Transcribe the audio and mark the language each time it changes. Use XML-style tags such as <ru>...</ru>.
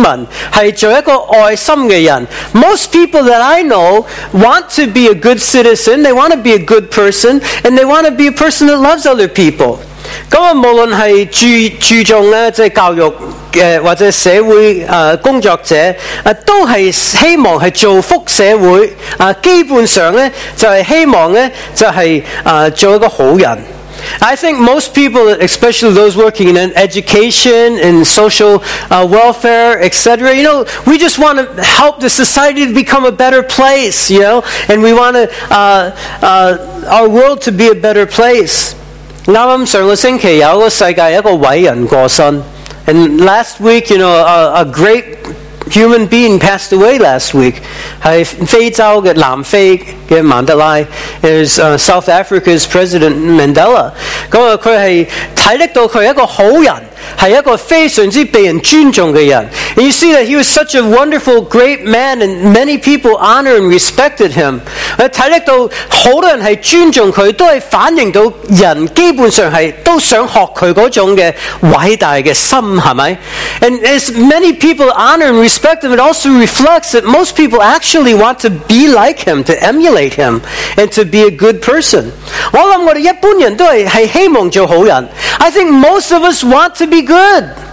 <zh>我所认识的人中，大部分都是很希望做好人，即是做好市民，是做一个爱心的人。</zh> <en>Most people that I know want to be a good citizen, they want to be a good person, and they want to be a person that loves other people.</en> <zh>无论是注重教育或者社会工作者，都是希望做福社会，基本上就是希望做一个好人。</zh> <en>I think most people, especially those working in education, in social welfare, etc., you know, we just want to help the society to become a better place, you know, and we want to our world to be a better place.</en> <zh>剛剛上個星期有一個世界一個偉人過身,</zh> <en>and last week, you know, a great human being passed away last week.</en> <zh>是非洲的南非的曼德拉,</zh> <en>is South Africa's President Mandela.</en> <zh>他是看得到他是一個好人, 是一個非常被人尊重的人.</zh> <en>And you see that he was such a wonderful, great man, and many people honored and respected him.</en> <zh>看得到好人是尊重他, 都是反映到人基本上都想學他那種偉大的心, 是不是?</zh> <en>And as many people honor and respect him, it also reflects that most people actually want to be like him, to emulate him, and to be a good person.</en> <zh>我想我們一般人都是希望做好人.</zh> <en>I think most of us want to be good.</en>